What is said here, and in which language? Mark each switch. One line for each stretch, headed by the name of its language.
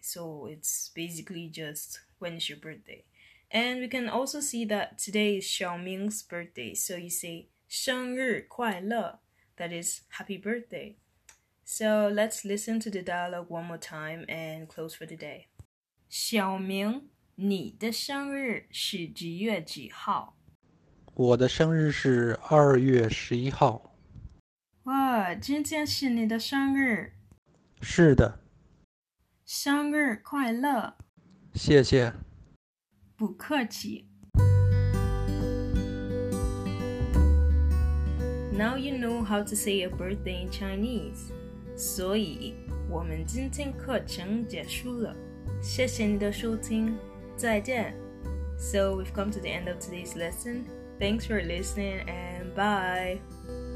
English: So, it's basically just when is your birthday. And we can also see that today is Xiaoming's birthday. So, you say
Chinese: 生日快乐
English: That is, happy birthday. So let's listen to the dialogue one more time and close for the day.
Chinese: 小明，你的生日是几月几号？我的生日是2月11号。哇，今天是你的生日。是的。生日快乐。谢谢。不客气。
English: Now you know how to say a birthday in Chinese.
Chinese: 所以，我们今天课程结束了。谢谢你的收听，再见。
English: So we've come to the end of today's lesson. Thanks for listening and bye!